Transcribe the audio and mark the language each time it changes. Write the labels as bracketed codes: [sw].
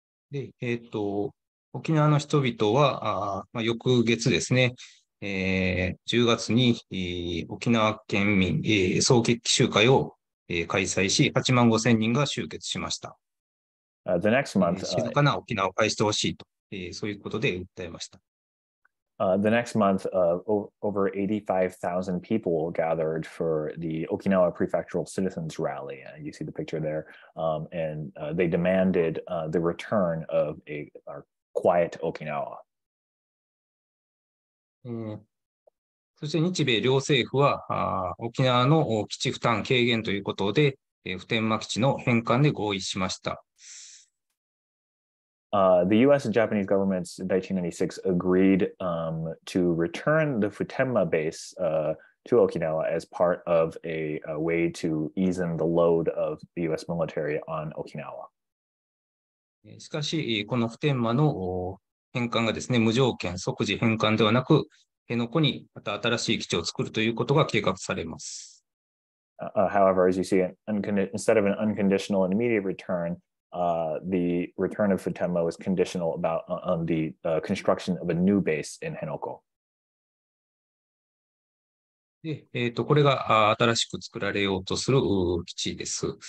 [ja] で、沖縄の人々は、まあ、翌月ですね、10月に、沖縄県民、総決起集会を、開催し、8万5000人が集結しました。 [en] The next month, [ja] 静かな沖縄を返してほしいと、そういうことで訴えました。 [en] The next month, over 85,000 people gathered for the Okinawa Prefectural Citizens Rally. You see the picture there. They demanded the return of a quiet Okinawa. [ja] そして日米両政府は沖縄の基地負担軽減ということで、普天間基地の返還で合意しました。 [en] The U.S. and Japanese governments in 1996 agreed to return the Futenma base to Okinawa as part of a way to ease the load of the U.S. military on Okinawa. [ja] しかし、この普天間の返還がですね、無条件即時返還ではなく、辺野古にまた新しい基地を作るということが計画されます。 [en] However, as you see, instead of an unconditional and immediate return, the return of Futenma was conditional about on the construction of a new base in Henoko. [ja] で、これが新しく作られようとする基地です。